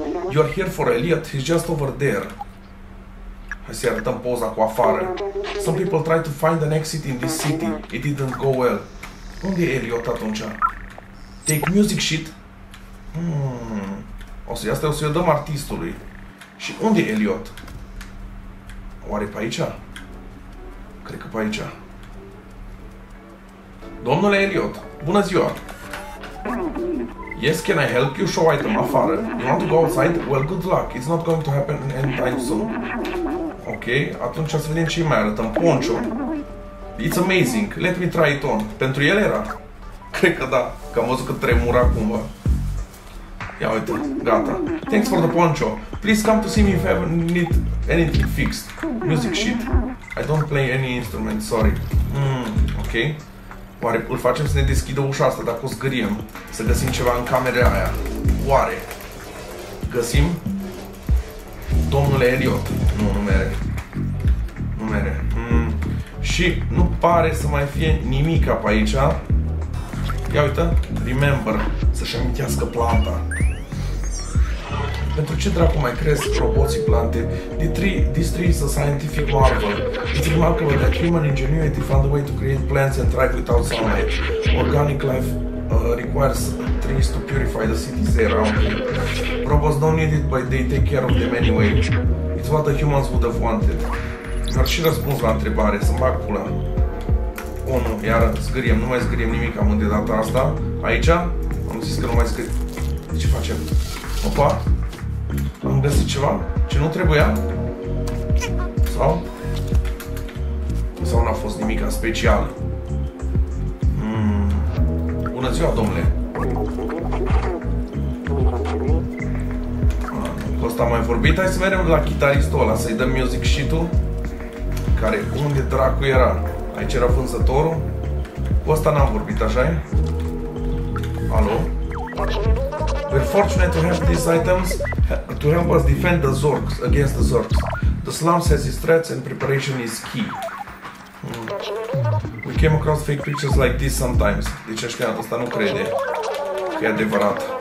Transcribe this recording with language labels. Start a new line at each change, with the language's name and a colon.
English: You are here for Elliot, he's just over there.
Romanian: Hai să-i arătăm poza cu afară.
English: Some people tried to find an exit in this city. It didn't go well.
Romanian: Unde e Elliot atunci?
English: Take music sheet.
Romanian: Asta o să-i o dăm artistului. Și unde e Elliot? Oare pe aici? Cred că pe aici. Domnule Elliot, bună ziua!
English: Yes, can I help you? Show item afară. You want to go outside? Well, good luck. It's not going to happen anytime soon.
Romanian: Ok, atunci să vedem ce-i mai arătăm.
English: Poncho. It's amazing. Let me try it on.
Romanian: Pentru el era? Cred că da, că am văzut că tremura cumva. Ia uite, gata.
English: Thanks for the poncho. Please come to see me if you need anything fixed. Music sheet. I don't play any instrument, sorry. Ok.
Romanian: Oare îl facem să ne deschidă ușa asta dacă o zgâriem? Să găsim ceva în camera aia. Oare? Găsim? Domnule Elliot. Nu, nu mere. Nu mere. Și nu pare să mai fie nimica pe aici. Ia uite, remember, să-și amintească planta. Pentru ce dracu mai cresc roboții plante?
English: This tree is a scientific marvel. It's remarkable that human ingenuity found a way to create plants and thrive without sunlight. Organic life requires trees to purify the cities around them. Robots don't need it, but they take care of them anyway. It's what the humans would have wanted.
Romanian: Dar și răspuns la întrebare, să-mi bag pula. Unu, iar zgâriem, nu mai zgâriem nimic am de data asta. Aici, am zis că nu mai zgâriem. De ce facem? Opa, am găsit ceva? Ce nu trebuia? Sau? Sau n-a fost nimic special? Bună ziua, domnule! Cu ăsta am mai vorbit, hai să mergem la chitaristul ăla, să-i dăm music sheet-ul. Care unde dracu era? Aici era vânzătorul? Cu ăsta n-am vorbit, așa-i? Alo?
English: We're fortunate to have these items to help us defend the Zorks against the Zorks. The slums has its threats and preparation is key. We came across fake pictures like this sometimes.
Romanian: Deci ăștia, ăsta nu crede că e adevărat.